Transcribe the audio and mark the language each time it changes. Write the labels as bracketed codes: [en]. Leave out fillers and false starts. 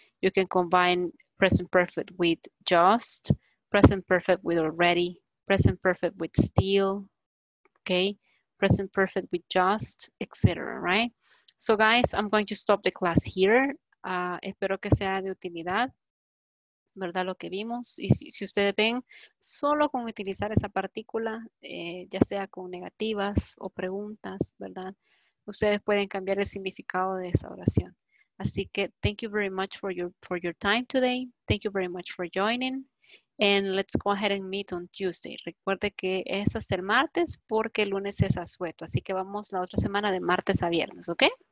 [en] You can combine present perfect with just, present perfect with already, present perfect with still, okay? Present perfect with just, etc., right? So guys, I'm going to stop the class here. [es] Espero que sea de utilidad, ¿verdad? Lo que vimos, y si ustedes ven, solo con utilizar esa partícula, ya sea con negativas o preguntas, ¿verdad? Ustedes pueden cambiar el significado de esa oración. Así que, [en] thank you very much for your time today. Thank you very much for joining. And let's go ahead and meet on Tuesday. [es] Recuerde que es hasta el martes porque el lunes es asueto. Así que vamos la otra semana de martes a viernes, ¿ok?